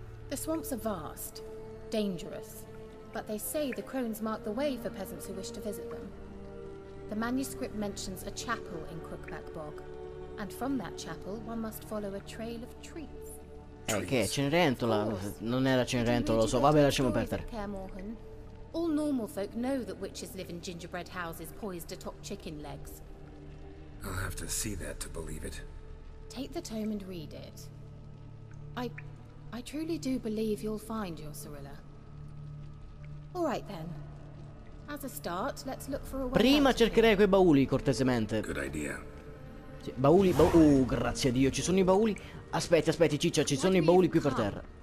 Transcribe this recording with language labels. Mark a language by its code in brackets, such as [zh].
[en] The swamps are vast, dangerous, but they say the crones mark the way for peasants who wish to visit them. The manuscript mentions a chapel in Crookback Bog, and from that chapel one must follow a trail of treats. [it] Che è Cenerentola? Non era Cenerentola, lo so. Vabbè, lasciamo perdere. [en] All normal folk know that witches live in gingerbread houses poised atop chicken legs. I'll have to see that to believe it. Take the tome and read it. I truly do believe you'll find your Cirilla. All right then. As a start, let's look for a way. [it] Prima cercherei quei bauli, cortesemente. [en] Good idea. [it] Bauli, grazie a Dio, ci sono i bauli. Aspetti, ciccia, ci sono i bauli qui per terra.